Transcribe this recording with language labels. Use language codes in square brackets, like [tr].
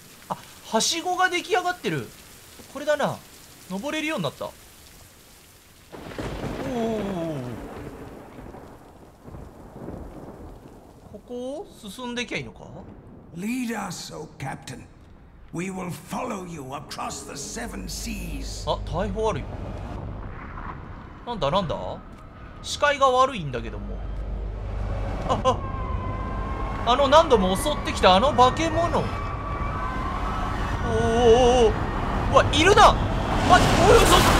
[ja] あ、はしごが出来上がってる。これだな、登れるようになった。おお、ここを進んできゃいいのか。 [en] Lead us, O Captain. We will follow you across the seven seas. [ja] あ、大砲あるよ。なんだなんだ、視界が悪いんだけども。あの何度も襲ってきたあの化け物。おおおお、うわ、いるな。まじ、おい、嘘。